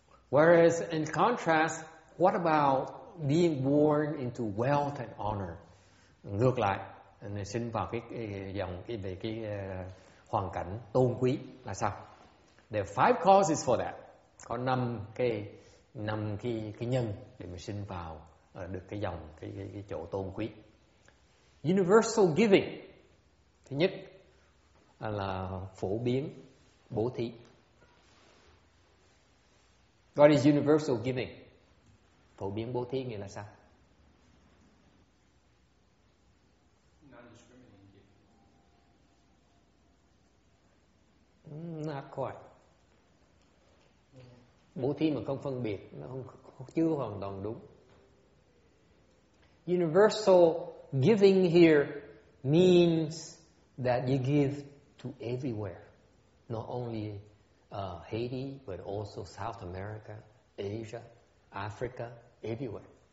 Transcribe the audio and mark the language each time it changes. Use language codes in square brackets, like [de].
[en] Whereas in contrast, what about being born into wealth and honor? [vi] Ngược lại, nên sinh vào cái dòng cái về cái hoàn cảnh tôn quý là sao? [en] There are five causes for that. [vi] Có năm cái nhân để mình sinh vào được cái dòng cái chỗ tôn quý. [en] Universal giving. [vi] Thứ nhất là phổ biến bố thí. [en] What is universal giving? [vi] Phổ biến bố thí nghĩa là sao? [en] Non-discriminating giving. Not quite. [vi] Bố thí mà không phân biệt, nó không, chưa hoàn toàn đúng. [en] Universal giving here means that you give to everywhere, not only Haiti, but also South America, Asia, Africa, everywhere.